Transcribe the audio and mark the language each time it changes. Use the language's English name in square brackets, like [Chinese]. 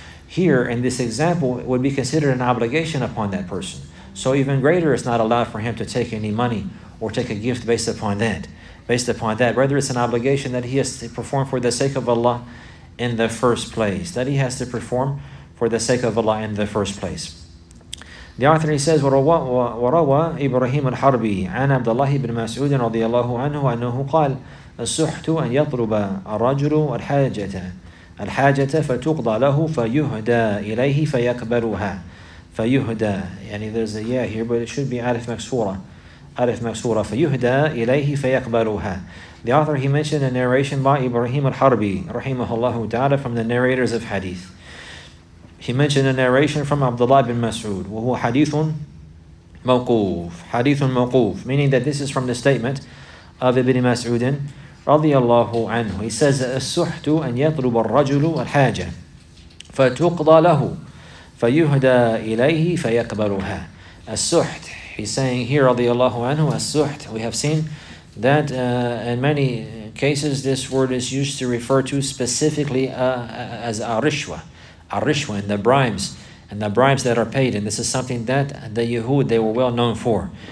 [English] here in this example would be considered an obligation upon that person. So even greater, it's not allowed for him to take any money or take a gift based upon that. Based upon that, whether it's an obligation that he has to perform for the sake of Allah in the first place. That he has to perform for the sake of Allah in the first place. The author, he says, [Arabic] وَرَوَى إِبْرَهِيمُ الْحَرْبِي عَنْ عَبْدَ اللَّهِ بْنِ مَسْعُودٍ رَضِيَ اللَّهُ عَنْهُ أَنَّهُ قَالَ السُّحْتُ أَنْ يَطْلُبَ الرَّجُلُ الْحَاجَةَ فَتُقْضَى لَهُ فَيُهْدَى إِلَيْهِ فَيَكْبَرُهَا فَيُهْدَى. يعني [English] there's a yeah here, but it should be Alif Maksura. Alif Maksura. [Arabic] فَيُهْدَى إِلَيْهِ فَيَكْبَرُهَا. [English] The author, he mentioned a narration by Ibrahim al-Harbi, rahimahullahu ta'ala, from the narrators of hadith. He mentioned a narration from Abdullah bin Mas'ud, [Arabic] وهو حديث موقوف, [English] meaning that this is from the statement of Ibn Mas'ud [Arabic] رضي الله عنه. [English] He says, [Arabic] السحت أن يطلب الرجل الحاجة فتقضى له فيهدى إليه فيقبلها. [English] السحت, he's saying here, [Arabic] رضي الله عنه, [English] السحت, we have seen that in many cases this word is used to refer to specifically as arishwa. Arishwa, and the bribes that are paid. And this is something that the Yahud, they were well known for.